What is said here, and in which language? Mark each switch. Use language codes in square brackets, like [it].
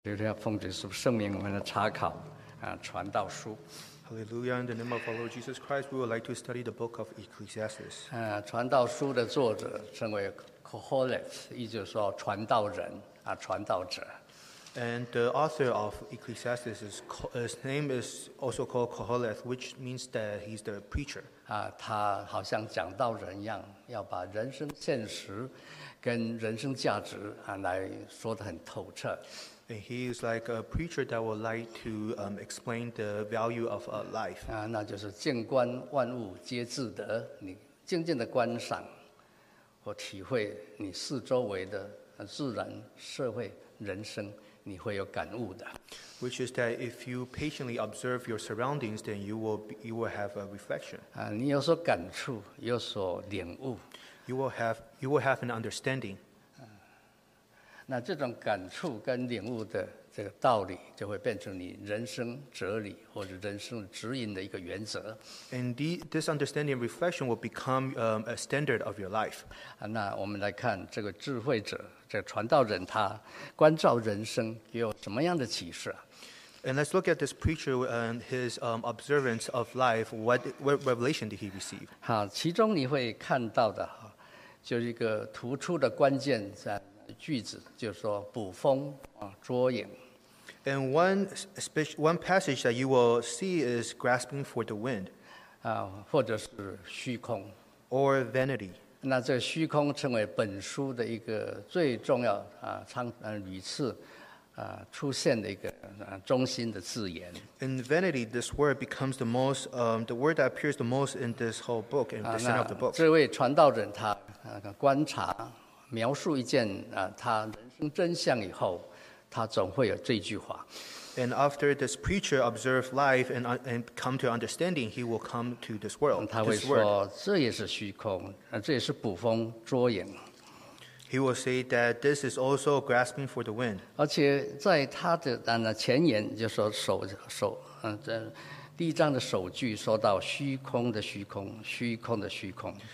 [zh] 就是要奉主耶稣圣名，我们来查考啊，《传道书》。 [en] Hallelujah! In the name of our Lord Jesus Christ, we would like to study the book of Ecclesiastes. [zh] 传道书的作者称为 Koheleth， 也就是说传道人啊，传道者。 [en] And the author of Ecclesiastes is his name is also called Koheleth, which means that he's the preacher. [zh] 他好像讲道人一样，要把人生现实跟人生价值啊来说得很透彻。 [en] And he is like a preacher that would like to explain the value of a life. [zh] 那就是静观万物皆自得，你静静的观赏或体会你四周围的自然、社会、人生，你会有感悟的。 [en] Which is that if you patiently observe your surroundings, then you will have a reflection. [zh] 你有所感触，有所领悟。 [en] You will have an understanding. [zh] 那这种感触跟领悟的这个道理，就会变成你人生哲理或者人生指引的一个原则。 [en] And this understanding and reflection will become a standard of your life. [zh] 那我们来看这个智慧者，这个传道人，他关照人生有什么样的启示 [en] ？And let's look at this preacher and his observance of life. What revelation did he receive? [zh] 好，其中你会看到的哈，就是一个突出的关键在。句子就是说捕风捉影。 [en] And one passage that you will see is grasping for the wind. [zh] 或者是虚空。 [en] Or vanity. [zh] 那这虚空成为本书的一个最重要屡次出现的一个中心的字眼。 [en] In vanity, this word becomes the most, the word that appears the most in this whole book, in the center of the book. [zh] 这位传道人他观察描述一件他人生真相以后，他总会有这句话。 [en] And after this preacher observes life and come to understanding, he will come to this world. [zh] 他会说这也是虚空，这也是捕风捉影。 [en] He will say that this is also grasping for the wind. [zh] 而且在他的前言，就是说首这第一章的首句说到虚空的虚空，虚空的虚空。